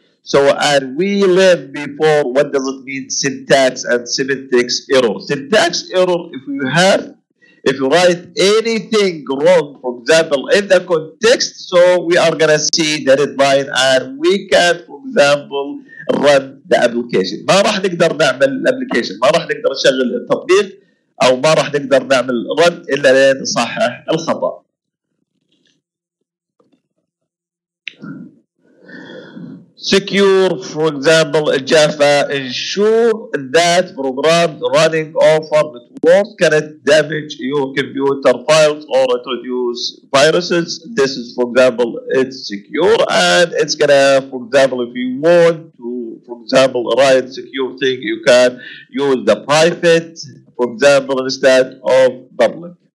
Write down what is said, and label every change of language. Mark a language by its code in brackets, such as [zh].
[en] So, and we learned before, what does it mean, syntax and semantic error. Syntax error, if you have, if you write anything wrong, for example, in the context, so we are going to see the red line, and we can, for example, run the application. [ar] ما راح نقدر نعمل الابليكيشن، ما راح نقدر نشغل التطبيق، أو ما راح نقدر نعمل run إلا لين صحح الخطأ. [en] Secure, for example, Java ensure that programs running over networks cannot damage your computer files or introduce viruses. This is, for example, it's secure, and it's gonna, for example, if you want to, for example, write secure thing, you can use the private, for example, instead of public.